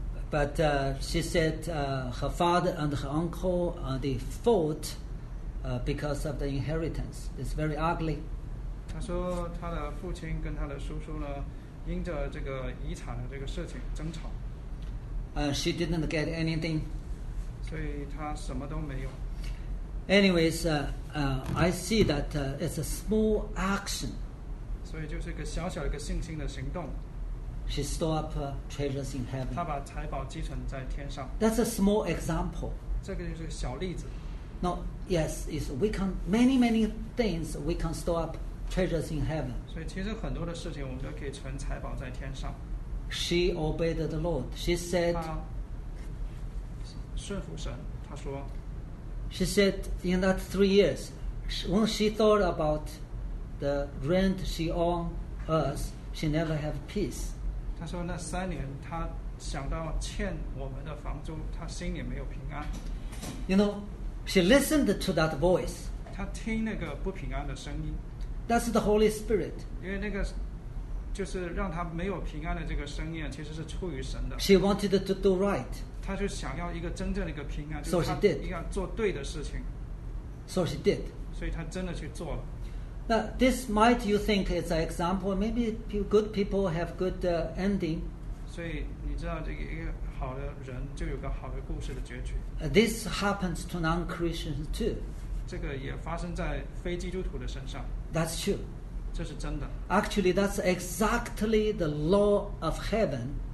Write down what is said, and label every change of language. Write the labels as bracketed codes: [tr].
[en] But she said her father and her uncle they fought because of the inheritance. It's very ugly. [zh] 她说她的父亲跟她的叔叔呢，因着这个遗产的这个事情争吵。 [en] She didn't get anything. [zh] 所以她什么都没有。 [en] Anyways, I see that it's a small action. [zh] 所以就是一个小小一个信心的行动。 [en] She stored up treasures in heaven. [zh] 她把财宝积存在天上。 [en] That's a small example. [zh] 这个就是小例子。 [en] No, yes, is we can many many things we can store up treasures in heaven. [zh] 所以其实很多的事情我们都可以存财宝在天上。 [en] She obeyed the Lord. She said. [zh] 她顺服神，她说。 [en] She said in that 3 years, when she thought about the rent she owed us, she never had peace. [zh] 他说那三年他想到欠我们的房租，他心里没有平安。 [en] You know, she listened to that voice. [zh] 他听那个不平安的声音。 [en] That's the Holy Spirit. [zh] 因为那个就是让他没有平安的这个声音其实是出于神的。 [en] She wanted to do right. [zh] 他就想要一个真正的一个平安。 [en] So she did. [zh] 要做对的事情。 [en] So she did. [zh] 所以他真的去做了。 [en] Now, this might you think is an example. Maybe good people have good ending. [zh] 所以你知道这个一个好的人就有个好的故事的结局。 [en] This happens to non-Christians too. [zh] 这个也发生在非基督徒的身上。 [en] That's true. [zh] 这是真的。 [en] Actually, that's exactly the law of heaven.